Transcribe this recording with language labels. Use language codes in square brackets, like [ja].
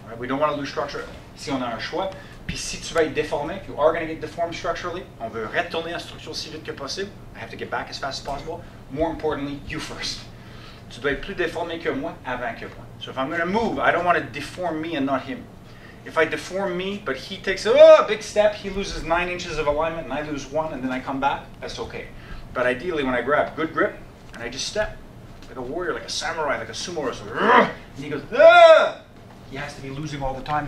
[en] Right? We don't want to lose structure [fr] si on a un choix. Puis si tu vas être déformé, [en] if you are going to get deformed structurally, [fr] on veut retourner la structure si vite que possible. [en] I have to get back as fast as possible. More importantly, you first. [fr] Tu dois être plus déformé que moi avant que moi. [en] So if I'm going to move, I don't want to deform me and not him. If I deform me, but he takes a big step, he loses 9 inches of alignment, and I lose one, and then I come back, that's okay. But ideally, when I grab good grip, and I just step, like a warrior, like a samurai, like a sumo wrestler, and he goes, he has to be losing all the time.